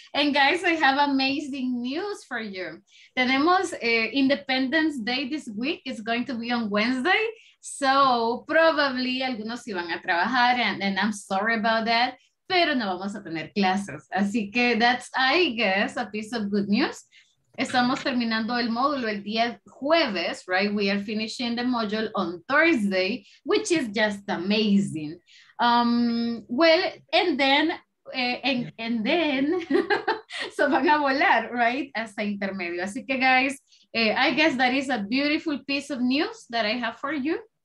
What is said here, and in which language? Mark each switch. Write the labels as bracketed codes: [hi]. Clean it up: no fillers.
[en] And guys, I have amazing news for you. [es] Tenemos [en] Independence Day this week. It's going to be on Wednesday. So probably [es] algunos iban a trabajar [en] and I'm sorry about that, [es] pero no vamos a tener clases. Así que [en] that's, I guess, a piece of good news. [es] Estamos terminando el módulo el día jueves, right? [en] We are finishing the module on Thursday, which is just amazing. Well, and then, And then, so [es] van a volar, [en] right? [es] Hasta intermedio. Así que, [en] guys, I guess that is a beautiful piece of news that I have for you.